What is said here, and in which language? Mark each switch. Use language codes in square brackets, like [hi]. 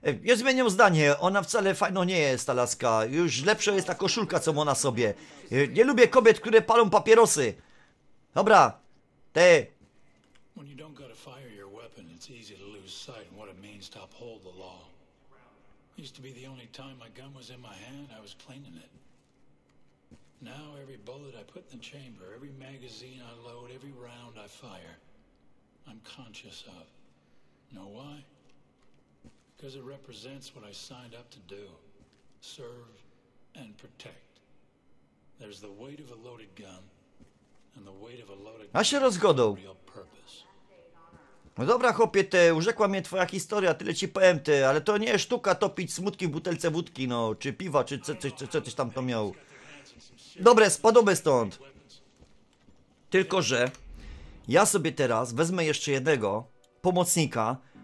[pl] Ja zmieniam zdanie, ona wcale fajno nie jest ta laska. Już lepsza jest ta koszulka, co ma na sobie. Nie lubię kobiet, które palą papierosy. Dobra, ty. [en] When you don't gotta fire your weapon, it's easy to lose sight and what it means to uphold the law. Used to be the only time my gun was in my hand, I was cleaning it. Now every bullet I put in the chamber, every magazine I load, every round I fire. I'm conscious of. Know why? Because it represents what I signed up to do. Serve and protect. There's the weight of a loaded gun and the weight of a loaded gun. [pl] A się rozgodą. No dobra chłopie, ty, urzekła mnie twoja historia, tyle ci powiem ty, ale to nie jest sztuka topić smutki w butelce wódki, no, czy piwa, czy co tyś tam to miał. Dobre, spadłoby stąd. Tylko że ja sobie teraz wezmę jeszcze jednego pomocnika.